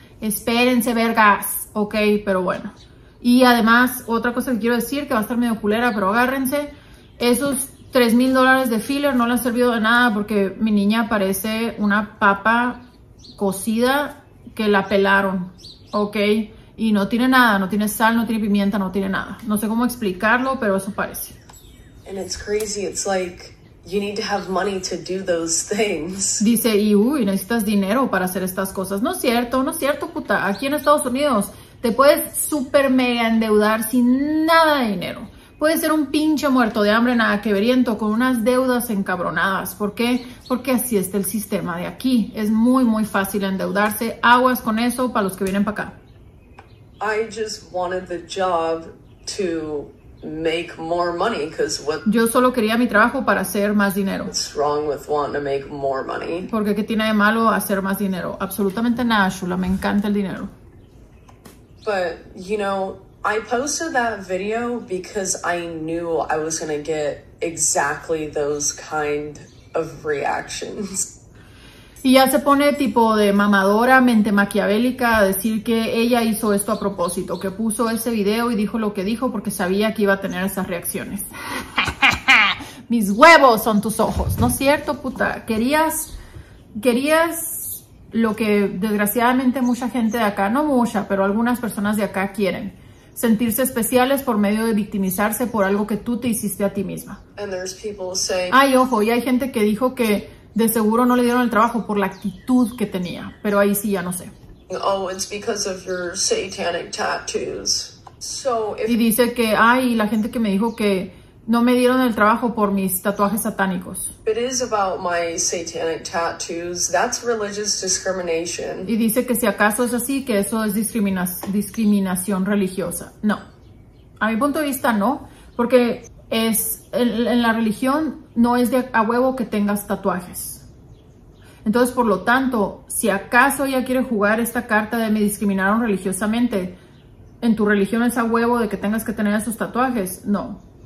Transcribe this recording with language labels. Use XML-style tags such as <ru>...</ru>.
<es>Espérense, vergas, ¿ok? Pero bueno. Y además, otra cosa que quiero decir, que va a estar medio culera, pero agárrense. Esos $3,000 de filler no le han servido de nada porque mi niña parece una papa cocida que la pelaron, ¿ok? Y no tiene nada, no tiene sal, no tiene pimienta, no tiene nada. No sé cómo explicarlo, pero eso parece.</es> <en>And it's crazy, it's like, you need to have money to do those things.</en> <es>Dice, y uy, necesitas dinero para hacer estas cosas. No es cierto, no es cierto, puta. Aquí en Estados Unidos te puedes super mega endeudar sin nada de dinero. Puedes ser un pinche muerto de hambre, nada que veriento, con unas deudas encabronadas. ¿Por qué? Porque así está el sistema de aquí. Es muy, muy fácil endeudarse. Aguas con eso para los que vienen para acá.</es> <en>I just wanted the job to make more money, because what...</en> <es>Yo solo quería mi trabajo para hacer más dinero.</es> <en>What's wrong with wanting to make more money?</en> <es>Porque ¿qué tiene de malo hacer más dinero? Absolutamente nada, Shula. Me encanta el dinero.</es> <en>But, you know, I posted that video because I knew I was going to get exactly those kind of reactions.</en> <es>Y ya se pone tipo de mamadora, mente maquiavélica, a decir que ella hizo esto a propósito, que puso ese video y dijo lo que dijo porque sabía que iba a tener esas reacciones. Mis huevos son tus ojos, ¿no es cierto, puta? Querías lo que desgraciadamente mucha gente de acá, no mucha, pero algunas personas de acá quieren. Sentirse especiales por medio de victimizarse por algo que tú te hiciste a ti misma. Ay, ojo, y hay gente que dijo que de seguro no le dieron el trabajo por la actitud que tenía, pero ahí sí ya no sé.</es> <en>Oh, it's because of your satanic tattoos. So if...</en> <es>Y dice que, ay, la gente que me dijo que no me dieron el trabajo por mis tatuajes satánicos.</es> <en>It is about my satanic tattoos. That's religious discrimination.</en> <es>Y dice que si acaso es así, que eso es discriminación religiosa. No. A mi punto de vista, no. Porque es en la religión no es de a huevo que tengas tatuajes. Entonces, por lo tanto, si acaso ella quiere jugar esta carta de me discriminaron religiosamente, en tu religión es a huevo de que tengas que tener esos tatuajes. No.</es>